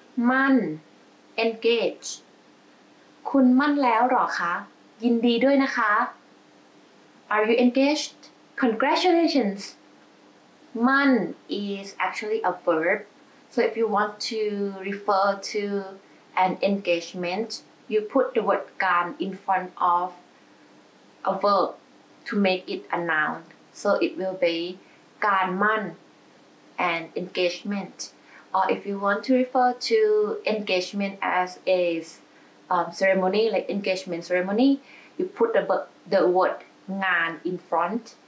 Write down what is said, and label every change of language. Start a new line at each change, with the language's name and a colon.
Thai: มั่น, engage. คุณมั่นแล้วหรอคะ? ยินดีด้วยนะคะ.
English: Are you engaged? Congratulations. มั่น is actually a verb, so if you want to refer to an engagement, you put the word การ in front of a verb to make it a noun. So it will be การมั่น an engagement. Or if you want to refer to engagement as a ceremony, like engagement ceremony, you put the word งาน in front.